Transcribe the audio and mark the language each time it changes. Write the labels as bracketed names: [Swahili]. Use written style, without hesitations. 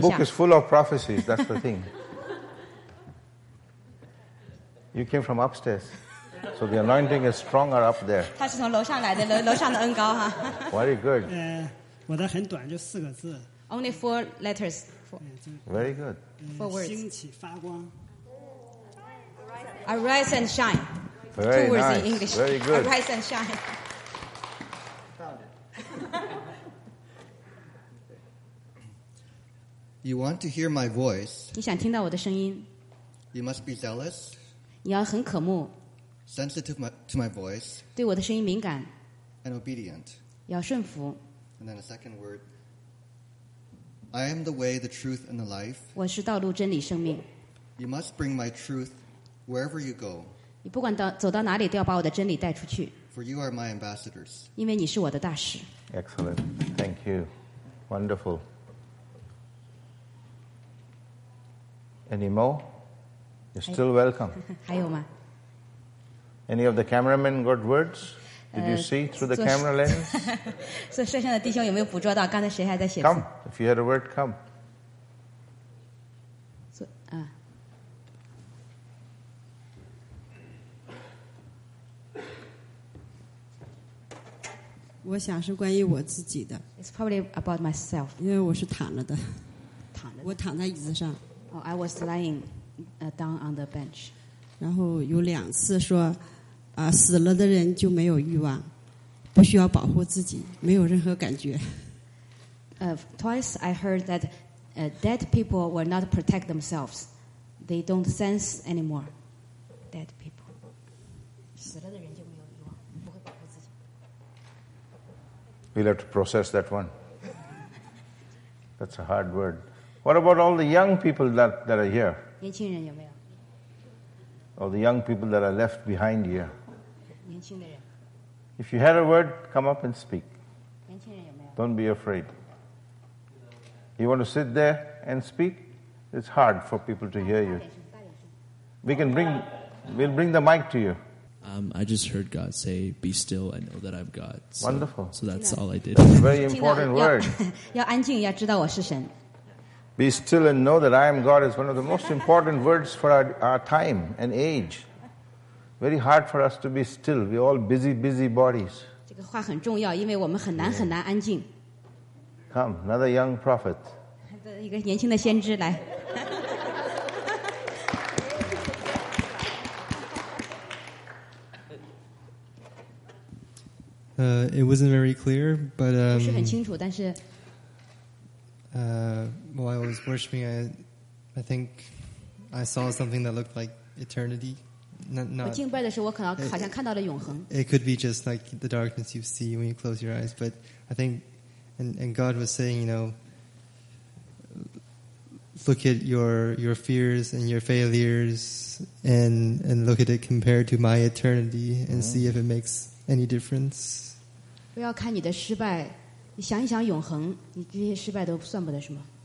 [English] The book is full of prophecies, that's the thing. You came from upstairs, so the anointing is stronger up there. [Chinese] 他是从楼上来的，楼上的恩高哈。 [English] Very good. [Chinese] 我的很短，就四个字。 [English] Only four letters. Very good. Four words. Arise and shine. Very two words nice. In English. Very good. Arise and shine. You want to hear my voice? [Chinese] 你想听到我的声音? [English] You must be zealous. [Chinese] 你要很渴慕。 [English] Sensitive to my voice. [Chinese] 对我的声音敏感。 [English] And obedient. [Chinese] 要顺服。 [English] And then a second word. I am the way, the truth, and the life. [Chinese] 我是道路、真理、生命。 [English] You must bring my truth wherever you go. [Chinese] 你不管到走到哪里，都要把我的真理带出去。 [English] For you are my ambassadors. [Chinese] 因为你是我的大使。 [English] Excellent. Thank you. Wonderful. Any more? You're still welcome. [Chinese] 还有吗? [English] Any of the cameramen got words? Did you see through the camera lens? [Chinese] 所以摄像的弟兄有没有捕捉到刚才谁还在写字? [English] Come, if you had a word, come. So, [Chinese] I 想是关于我自己的。 [English] It's probably about myself. [Chinese] 因为我是躺着的。躺着。我躺在椅子上。 [English] Oh, I was lying down on the bench. [Chinese] 然后有两次说，啊，死了的人就没有欲望，不需要保护自己，没有任何感觉。 [English] Twice I heard that dead people will not protect themselves. They don't sense anymore. Dead people. [Chinese] 死了的人就没有欲望，不会保护自己。 [English] We'll have to process that one. That's a hard word. What about all the young people that are here? [Chinese] 年轻人有没有? [English] All the young people that are left behind here. [Chinese] 年轻的人。 [English] If you had a word, come up and speak. [Chinese] 年轻人有没有? [English] Don't be afraid. You want to sit there and speak? It's hard for people to hear you. We'll bring the mic to you. I just heard God say, be still and know that I'm God. So, Wonderful. So that's all I did. That's a very important word. [Chinese] 要安静，要知道我是神。 [English] Be still and know that I am God is one of the most important words for our time and age. Very hard for us to be still. We're all busy, busy bodies. [Chinese] 这个话很重要，因为我们很难很难安静。 [English] Come, another young prophet. [Chinese] 一个年轻的先知来。 [English] It wasn't very clear, but [Chinese] 不是很清楚，但是。 [English] While I was worshiping, I think I saw something that looked like eternity. It could be just like the darkness you see when you close your eyes. But I think, and God was saying, you know, look at your fears and your failures and look at it compared to my eternity and see if it makes any difference. [Chinese] 不要看你的失败。你想一想永恒，你这些失败都算不得什么。